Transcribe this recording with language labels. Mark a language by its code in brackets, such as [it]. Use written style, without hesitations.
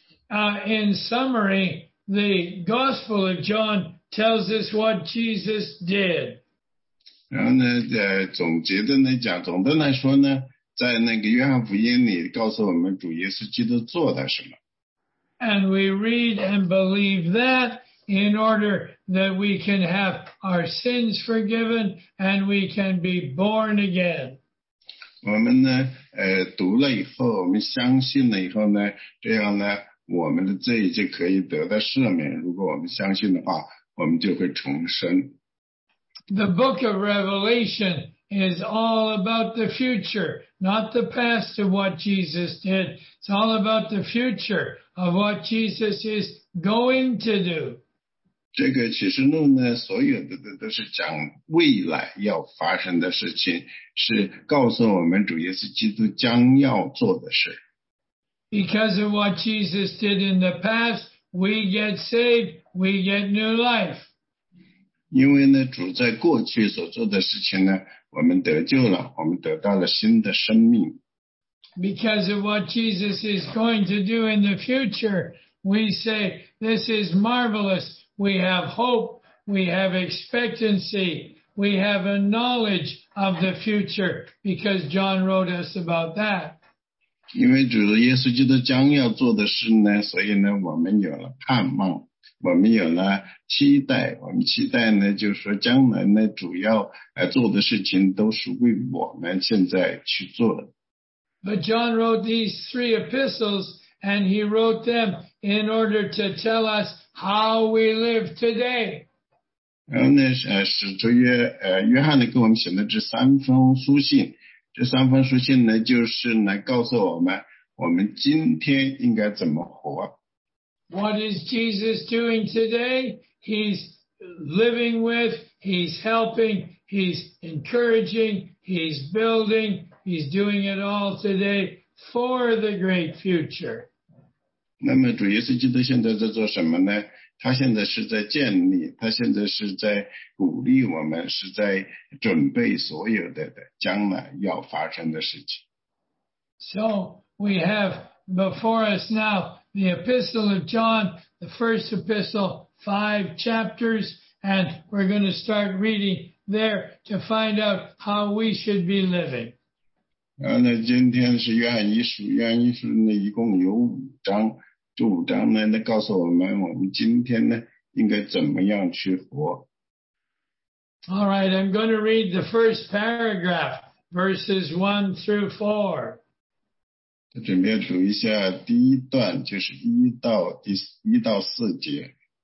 [en] In summary, the Gospel of John tells us what Jesus did. [zh] 然后呢，总结的呢讲，总的来说呢，在那个约翰福音里告诉我们主耶稣基督做了什么。 [en] And we read and believe that in order that we can have our sins forgiven and we can be born again. [zh] 我们呢，读了以后，我们相信了以后呢，这样呢。我们的罪就可以得到赦免，如果我们相信的话，我们就会重生。 [en] The book of Revelation is all about the future, not the past of what Jesus did. It's all about the future of what Jesus is going to do. [zh] 这个启示录呢，所有的都是讲未来要发生的事情，是告诉我们主耶稣基督将要做的事。 [en] Because of what Jesus did in the past, we get saved, we get new life. [zh] 因为呢，主在过去所做的事情呢，我们得救了，我们得到了新的生命。 [en] Because of what Jesus is going to do in the future, we say, this is marvelous. We have hope, we have expectancy, we have a knowledge of the future, because John wrote us about that. [zh] 因为主耶稣基督将要做的事呢，所以呢，我们有了盼望，我们有了期待，我们期待呢，就是说将来呢，主要做的事情都属于我们现在去做的。 [en] But John wrote these three epistles, and he wrote them in order to tell us how we live today. [zh] 然后呢，使徒约翰呢，给我们写了这三封书信。这三封书信呢，就是来告诉我们，我们今天应该怎么活。 [en] What is Jesus doing today? He's living with, he's helping, he's encouraging, he's building, he's doing it all today for the great future. [zh] 那么主耶稣基督现在在做什么呢？他现在是在建立，他现在是在鼓励我们，是在准备所有的将来要发生的事情。 [en] So we have before us now the Epistle of John, the first epistle, five chapters, and we're going to start reading there to find out how we should be living. [zh] 然后呢，今天是约翰一书，约翰一书呢一共有五章。这五章呢，那告诉我们，我们今天呢，应该怎么样去活。 [en] All right, I'm going to read the first paragraph, verses 1-4. [zh] 我准备读一下第一段，就是1-4节。